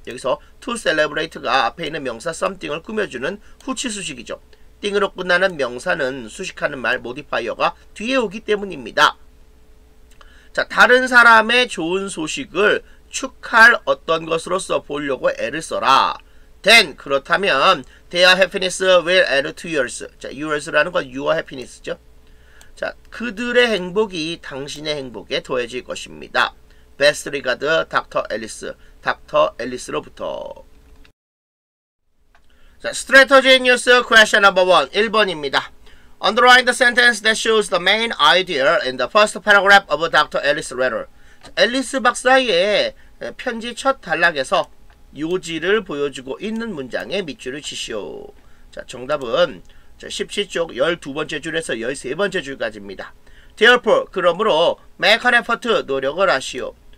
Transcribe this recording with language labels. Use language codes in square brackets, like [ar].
[ko] 여기서 to celebrate가 앞에 있는 명사 something을 꾸며주는 후치수식이죠. thing으로 끝나는 명사는 수식하는 말 modifier가 뒤에 오기 때문입니다. 자, 다른 사람의 좋은 소식을 축하할 어떤 것으로서 보려고 애를 써라. [en] Then, [ko] 그렇다면 [en] their happiness will add to yours. [ko] 자, yours라는 건 your happiness죠. 자, 그들의 행복이 당신의 행복에 더해질 것입니다. [en] Best regard, Dr. Ellis. Dr. Ellis로부터. 자, strategy in use, question number one. [ko] 1번입니다. [en] Underline the sentence that shows the main idea in the first paragraph of Dr. Ellis' letter. [ko] 자, 앨리스 박사의 편지 첫 단락에서 요지를 보여주고 있는 문장에 밑줄을 치시오. 자, 정답은 자, 17쪽 12번째 줄에서 13번째 줄까지입니다. [en] Therefore, [ko] 그러므로 [en] make an effort, [ko] 노력을 하시오.